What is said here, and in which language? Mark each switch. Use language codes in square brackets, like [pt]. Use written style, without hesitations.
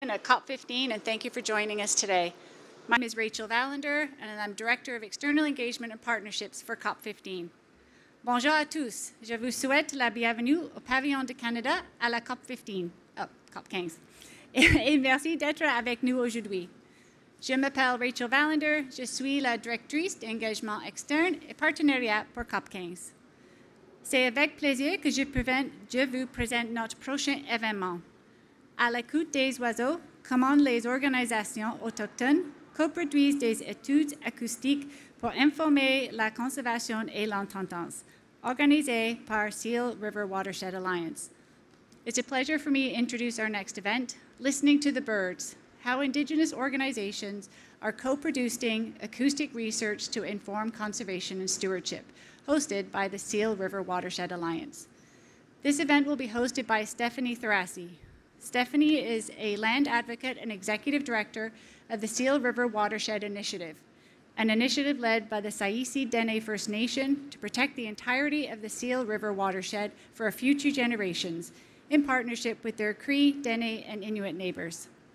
[en] Nation at COP15, and thank you for joining us today. My name is Rachel Vallander, and I'm Director of External Engagement and Partnerships for COP15. [fr] Bonjour à tous. Je vous souhaite la bienvenue au Pavillon du Canada à la COP15. Oh, COP15. Et merci d'être avec nous aujourd'hui. Je m'appelle Rachel Vallander. Je suis la directrice d'engagement externe et partenariat pour COP15. C'est avec plaisir que je vous présente notre prochain événement. À l'écoute des oiseaux, comment les organisations autochtones coproduisent des études acoustiques pour informer la conservation et l'entendance, organisé par Seal River Watershed Alliance. [en] It's a pleasure for me to introduce our next event, Listening to the Birds, how Indigenous organizations are co-producing acoustic research to inform conservation and stewardship, hosted by the Seal River Watershed Alliance. This event will be hosted by Stephanie Therassi. Stephanie is a land advocate and executive director of the Seal River Watershed Initiative, an initiative led by the Saisi Dene First Nation to protect the entirety of the Seal River watershed for future generations in partnership with their Cree, Dene, and Inuit neighbors.